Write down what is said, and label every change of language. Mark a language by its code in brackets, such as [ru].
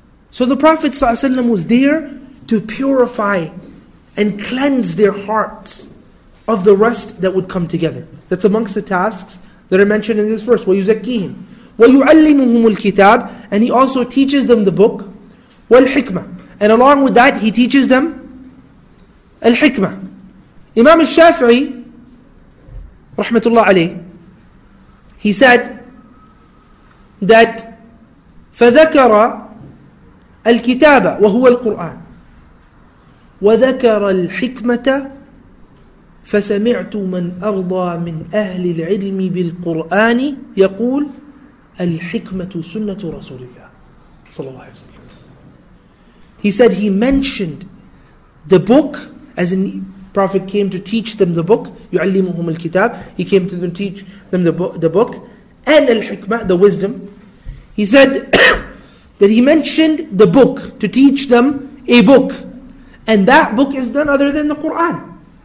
[en] So the Prophet ﷺ was there to purify and cleanse their hearts of the rust that would come together. That's amongst the tasks that are mentioned in this verse. [ar] وَيُزَكِّيهِمْ. وَيُعَلِّمُهُمُ الْكِتَابِ, [en] and he also teaches them the book, وَالْحِكْمَةِ, and along with that he teaches them الْحِكْمَةِ. [ar] Imam al-Shafi'i rahmatullah alayh, [en] he said that [ar] فَذَكَرَ الْكِتَابَ وَهُوَ الْقُرْآنِ وَذَكَرَ الْحِكْمَةَ فَسَمِعْتُ مَنْ أَرْضَى مِنْ أَهْلِ الْعِلْمِ بِالْقُرْآنِ يَقُولُ الْحِكْمَةُ سُنَّةُ رَسُولِ اللَّهِ صلى الله عليه وسلم. [en] He said he mentioned the book, as in Prophet came to teach them the book, [ar] يُعَلِّمُهُمْ الْكِتَابِ, [en] he came to them teach them the book, and الْحِكْمَةُ, the wisdom. He said that he mentioned the book to teach them a book, and that book is none other than the Qur'an.